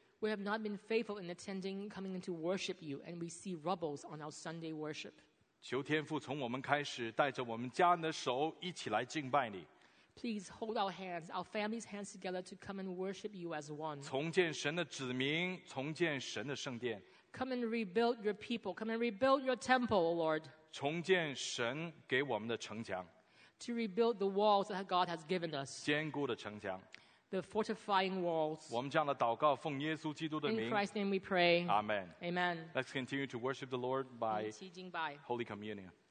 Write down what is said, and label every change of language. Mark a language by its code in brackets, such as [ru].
[en] We have not been faithful in attending, coming into worship you, and we see rubbles on our Sunday worship. [zh] 求天父从我们开始，带着我们家人的手一起来敬拜你。 [en] Please hold our hands, our family's hands together to come and worship you as one. [zh] 重建神的子民，重建神的圣殿。 [en] Come and rebuild your people. Come and rebuild your temple, O Lord. [zh] 重建神给我们的城墙 [en] ，to rebuild the walls that God has given us， [zh] 坚固的城墙 [en] ，the fortifying walls。 [zh] 我们这样的祷告，奉耶稣基督的名 [en] ，in Christ's name we pray， [zh] 阿门 [en] ，amen。 Let's continue to worship the Lord by holy communion。